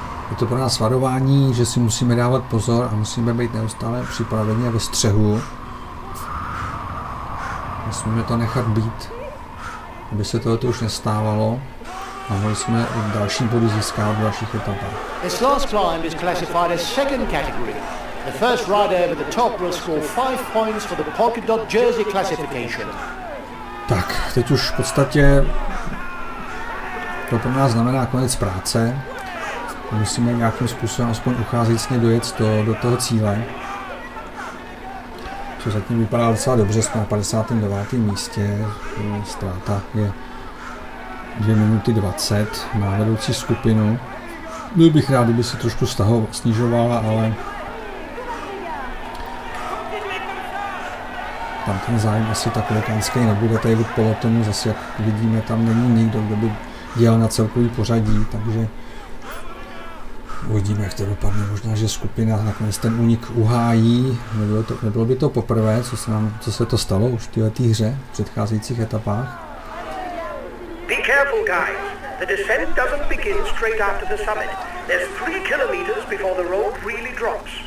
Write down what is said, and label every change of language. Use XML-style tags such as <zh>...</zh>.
<cs>Je to pro nás varování, že si musíme dávat pozor a musíme být neustále připraveni a ve střehu. Musíme to nechat být, aby se tohle už nestávalo a mohli jsme další body získávat v dalších etapách.</cs> <en>This last climb is classified as second category. The first rider over the top will score 5 points for the polka dot jersey classification.</en> <cs>Tak, teď už v podstatě to pro nás znamená konec práce. Musíme nějakým způsobem aspoň ucházejícně dojet do toho cíle. Co zatím vypadá docela dobře, jsme na 59. místě, ztráta je 2 minuty 20 na vedoucí skupinu. Byl bych rád, kdyby se trošku snižovala, ale tam ten zájem asi tak velikánský nebude, tady po Letonu zase, jak vidíme, tam není nikdo, kdo by dělal na celkový pořadí, takže uvidíme, jak to dopadne, možná, že skupina nakonec ten únik uhájí, nebylo by to poprvé, co se to stalo už v této hře, v předcházejících etapách.</cs> <en>Be careful, guys. The descent doesn't begin straight after the summit. There's 3 kilometers before the road really drops.</en>